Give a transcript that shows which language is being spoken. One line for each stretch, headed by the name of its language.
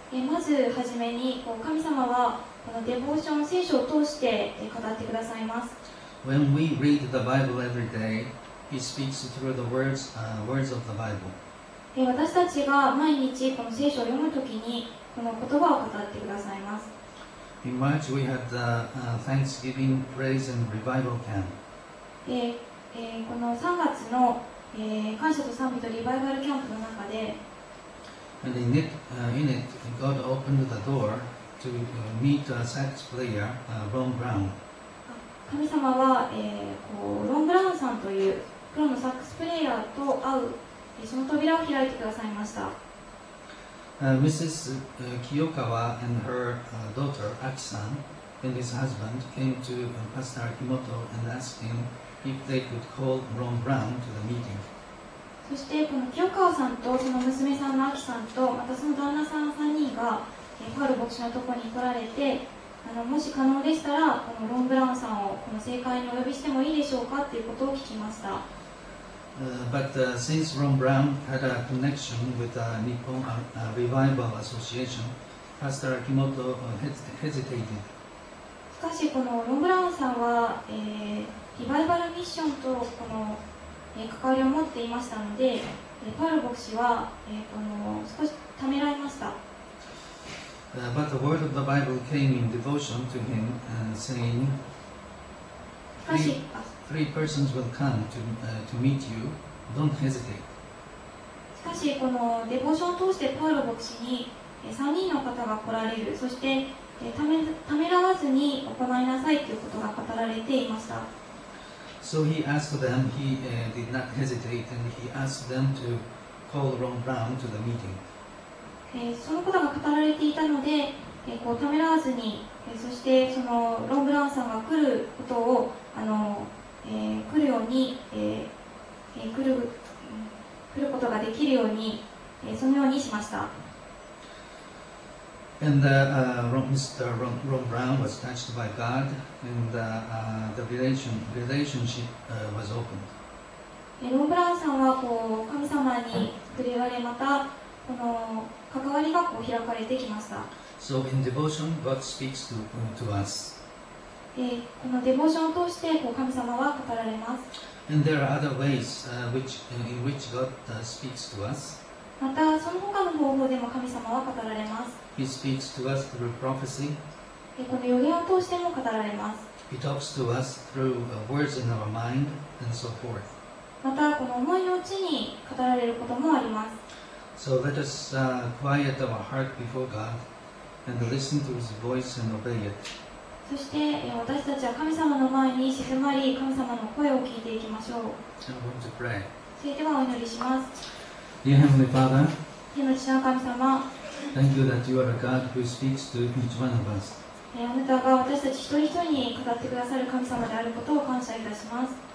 Japanese: まずはじめに神様はこのデボーション、聖書を通して語ってくださいます。
English: When we read the Bible every day, He speaks through the words, words of the Bible.
Japanese: 私たちが毎日この聖書を読むときにこの言葉を語ってくださいます。
English: In March, we had the Thanksgiving Praise and Revival Camp.
Japanese: この3月の、感謝と賛美とリバイバルキャンプの中で、
English: And in it, God opened the door to meet a sax player, Ron Brown.
Japanese: 神様は、ロン・ブラウンさんというプロのサックスプレイヤーと会う、その扉を開いてくださいました。
English: Mrs. Kiyokawa and her daughter, Aki-san, and his husband came to Pastor Akimoto and asked him if they could call Ron Brown to the meeting.
Japanese: そしてこの Kiyokawa さんとその娘さんの Aki-san とまたその旦那さん3人が、パウロ牧師のところに来られて、もし可能でしたら、このロン・ブラウンさんをこの政界にお呼びしてもいいでしょうかということを聞きました。
English: Since Ron Brown had a connection with the Nippon Revival Association, Pastor Akimoto hesitated.
Japanese: しかし、このロン・ブラウンさんは、リバイバルミッションとこの、関わりを持っていましたので、パウロ牧師は、この少しためらいました。
English: But the word of the Bible came in devotion to him, saying, three persons will come to meet you. Don't hesitate.
Japanese: しかし、このデボーションを通してパウロ牧師に3人の方が来られる。そして、ためらわずに行いなさいということが語られていました。
English: So he asked them, he did not hesitate, and he asked them to call Ron Brown to the meeting.
Japanese: そのことが語られていたので、こうためらわずに、そしてそのロン・ブラウンさんが来ることを、来るように、来ることができるように、そのようにしました。
English: And Mr. Ron Brown was touched by God, and the relationship was opened.
Japanese: ロン・ブラウンさんはこう神様に触れられ、またこの関わりがこう開かれてきました。
English: So in devotion, God speaks to us.
Japanese: このデボーションを通してこう神様は語られます。
English: And there are other ways in which God speaks to us.
Japanese: またその他の方法でも神様は語られます。
English: He speaks to us through prophecy.
Japanese: この予言を通しても語られます。
English: He talks to us through words in our mind and so forth.
Japanese: またこの思いのうちに語られることもあります。
English: So let us quiet our heart before God and listen to His voice and obey it.
Japanese: そして私たちは神様の前に静まり、神様の声を聞いていきましょう。
English: I'm going to pray.
Japanese: それではお祈りします。
English: Dear Heavenly Father,
Japanese: 天の父なる神様、
English: Thank you that you are a God who speaks to each one of us.
Japanese: あなたが私たち一人一人に語ってくださる神様であることを感謝いたします。